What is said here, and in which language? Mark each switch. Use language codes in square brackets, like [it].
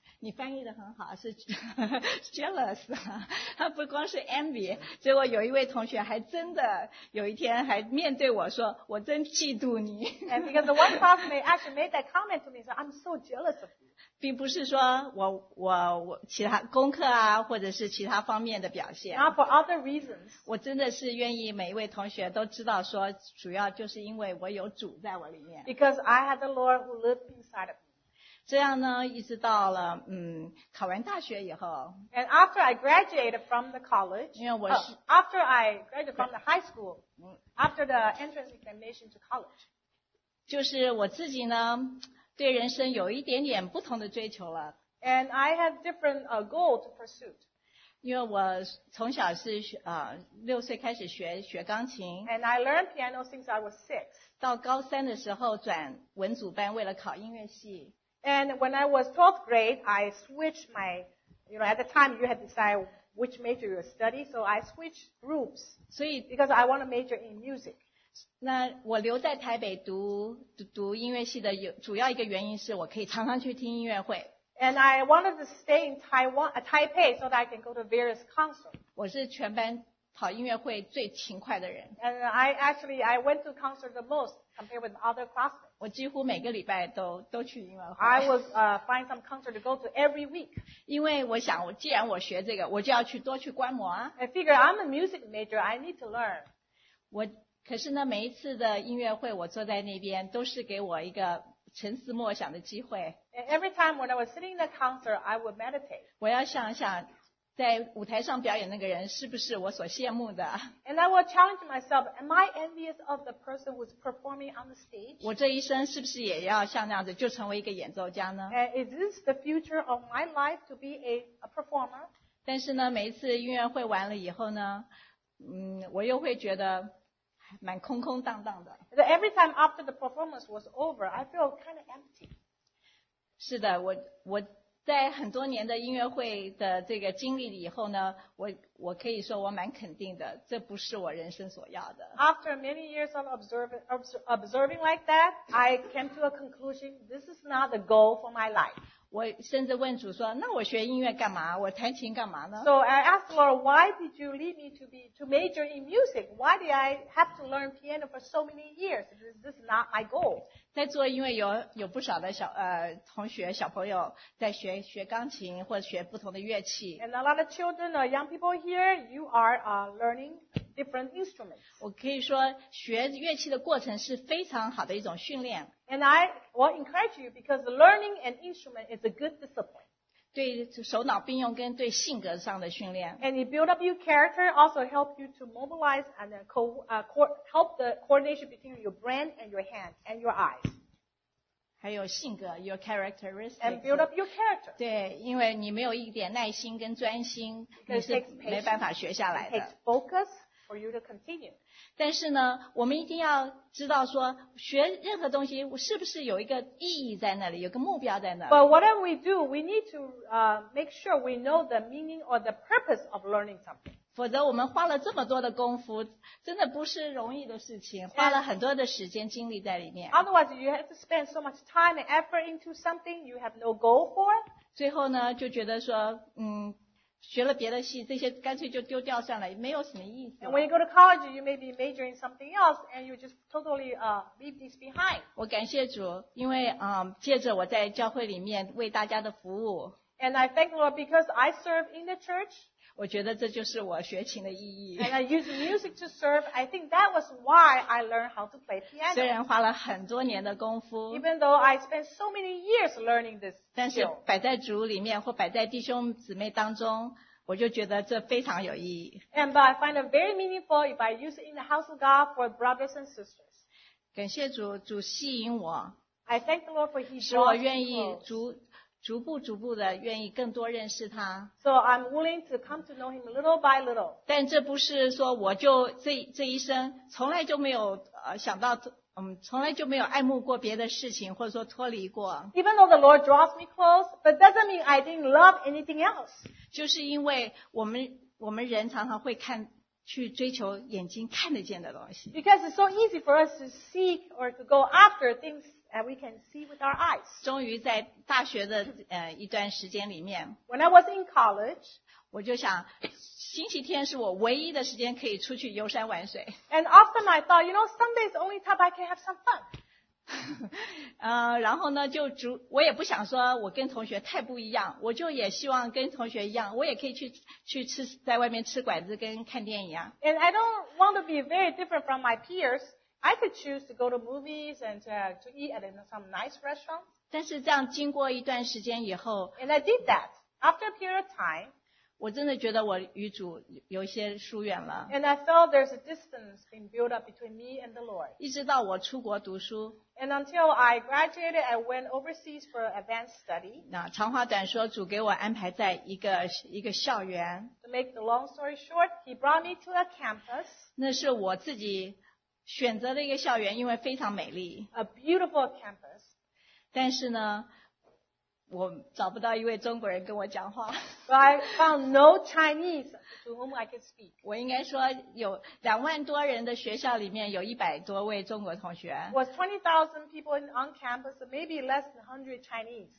[zh] 你翻译的很好，是 jealous， 他不光是 envy。结果有一位同学还真的有一天还面对我说：“我真嫉妒你。” [en] And because the one classmate actually made that comment to me, so I'm so jealous of you. [zh] 并不是说我其他功课啊，或者是其他方面的表现。 [en] Not for other reasons. [zh] 我真的是愿意每一位同学都知道说，主要就是因为我有主在我里面。 [en] Because I have the Lord who lives inside of me. [zh] 这样呢，一直到了考完大学以后 [en] ，and after I graduated from the college， [zh] 因为我是、 [en] after I graduated from the high school， after the entrance examination to college， [zh] 就是我自己呢，对人生有一点点不同的追求了 [en] ，and I have different goal to pursue。 [zh] 因为我从小是六岁开始学钢琴 [en] ，and I learned piano since I was six。 [zh] 到高三的时候转文组班，为了考音乐系。 [en] And when I was 12th grade, I switched my, you know, at the time you had to decide which major you study, so I switched groups. [zh] 所以 [en] because I want to major in music. [zh] 那我留在台北读音乐系的主要一个原因是我可以常常去听音乐会。 [en] And I wanted to stay in Taipei so that I can go to various concerts. [zh] 我是全班跑音乐会最勤快的人。 [en] And I went to concerts the most compared with other classmates. [zh] 我几乎每个礼拜都去音乐会。 [en] I was find some concert to go to every week. [zh] 因为我想，既然我学这个，我就要去多去观摩啊。 [en] I figure I'm a music major, I need to learn. [zh] 我可是呢，每一次的音乐会，我坐在那边，都是给我一个沉思默想的机会。 [en] Every time when I was sitting in the concert, I would meditate. [zh] 我要想想，在舞台上表演那个人是不是我所羡慕的 [en] ？And I would challenge myself, am I envious of the person who's performing on the stage? [zh] 我这一生是不是也要像那样子，就成为一个演奏家呢 [en] ？And is this the future of my life to be a performer? [zh] 但是呢，每一次音乐会完了以后呢，我又会觉得。蛮空空荡荡的。 [en] Every time after the performance was over, I feel kind of empty. [zh] 是的，我在很多年的音乐会的这个经历以后呢，我可以说我蛮肯定的，这不是我人生所要的。 [en] After many years of observing like that, I came to a conclusion: this is not the goal for my life. [zh] 我甚至问主说：“那我学音乐干嘛？我弹琴干嘛呢 [en] ？”So I asked Lord, "Why did you lead me to major in music? Why did I have to learn piano for so many years? Is this not my goal?" [zh] 在座因为有不少的同学小朋友在学钢琴或者学不同的乐器。 [en] And a lot of children or young people here, you are learning different instruments. [zh] 我可以说学乐器的过程是非常好的一种训练。 [en] And I will encourage you because learning an instrument is a good discipline. [zh] 对手脑并用跟对性格上的训练。 [en] And it builds up your character, also helps you to mobilize and help the coordination between your brain and your hand and your eyes. [zh] 还有性格 [en] your characteristics. And build up your character. [zh] 对，因为你没有一点耐心跟专心，你是没办法学下来的。 [en] It takes focus for you to continue. [zh] 但是呢，我们一定要知道说，学任何东西是不是有一个意义在那里，有个目标在那里。 [en] But whatever we do, we need to make sure we know the meaning or the purpose of learning something. [zh] 否则我们花了这么多的功夫，真的不是容易的事情，花了很多的时间精力在里面。 [en] Otherwise, you have to spend so much time and effort into something you have no goal for. [zh] 最后呢，就觉得说，学了别的系，这些干脆就丢掉算了，没有什么意思。 [en] And when you go to college, you may be majoring something else, and you just totally leave this behind. [zh] 我感谢主，因为借着我在教会里面为大家的服务。 [en] And I thank Lord because I serve in the church. [zh] 我觉得这就是我学琴的意义。 [en] And I use music to serve. I think that was why I learned how to play piano. [zh] 虽然花了很多年的功夫。 [en] Even though I spent so many years learning this. [zh] 但是摆在主里面或摆在弟兄姊妹当中，我就觉得这非常有意义。 [en] And but I find it very meaningful if I use it in the house of God for brothers and sisters. [zh] 感谢主，主吸引我。 [en] I thank the Lord for his grace. [zh] 使我愿意逐步的愿意更多认识他。 [en] So I'm willing to come to know him little by little. [zh] 但这不是说我就这一生从来就没有想到从来就没有爱慕过别的事情或者说脱离过。 [en] Even though the Lord draws me close, but doesn't mean I didn't love anything else. [zh] 就是因为我们人常常会看去追求眼睛看得见的东西。 [en] Because it's so easy for us to seek or to go after things And we can see with our eyes. [zh] 终于在大学的一段时间里面 [en] ，When I was in college， [zh] 我就想，星期天是我唯一的时间可以出去游山玩水。 [en] And often I thought, you know, Sunday is the only time I can have some fun. [zh] 然后呢，我也不想说我跟同学太不一样，我就也希望跟同学一样，我也可以去吃，在外面吃馆子跟看电影啊。 [en] And I don't want to be very different from my peers. I could choose to go to movies and to eat at some nice restaurant. [zh] 但是这样经过一段时间以后 [en] And I did that. After a period of time, [zh] 我真的觉得我与主有一些疏远了 [en] And I felt there's a distance being built up between me and the Lord. [zh] 一直到我出国读书 [en] And until I graduated, I went overseas for advanced study. [zh] 那长话短说，主给我安排在一个校园 [en] To make the long story short, he brought me to a campus. [zh] 那是我自己选择了一个校园，因为非常美丽。 [en] A beautiful campus. [zh] 但是呢，我找不到一位中国人跟我讲话。 [en] But I found no Chinese to whom I could speak. [zh] 我应该说有20,000多人的学校里面有100多位中国同学。 [en] Was 20,000 people on campus, maybe less than 100 Chinese.